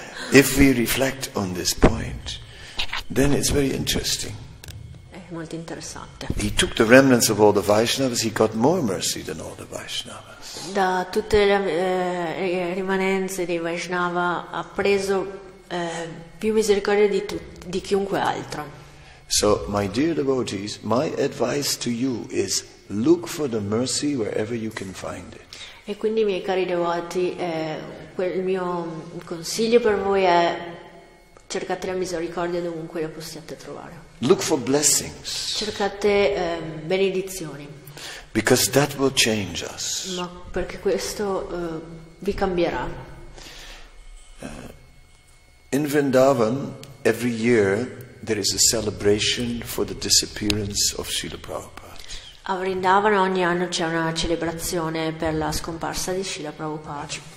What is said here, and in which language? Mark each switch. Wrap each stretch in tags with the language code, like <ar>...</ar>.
<en>If we reflect on this point, then it's very interesting.</en> <it>È molto interessante.</it> <en>He took the remnants of all the Vaishnavas. He got more mercy than all the Vaishnavas.</en> <it>Da tutte le rimanenze dei Vaishnava ha preso più misericordia di chiunque altro.</it> <en>So, my dear devotees, my advice to you is look for the mercy wherever you can find it.</en> <it>E quindi, miei cari devoti, il mio consiglio per voi è cercate la misericordia dovunque la possiate trovare.</it> <en>Look for blessings.</en> <it>Cercate benedizioni.</it> <en>Because that will change us.</en> <it>Ma perché questo vi cambierà.</it> <en>In Vrindavan, every year there is a celebration for the disappearance of Srila Prabhupada.</en> <it>A Vrindavan ogni anno c'è una celebrazione per la scomparsa di Srila Prabhupada.</it>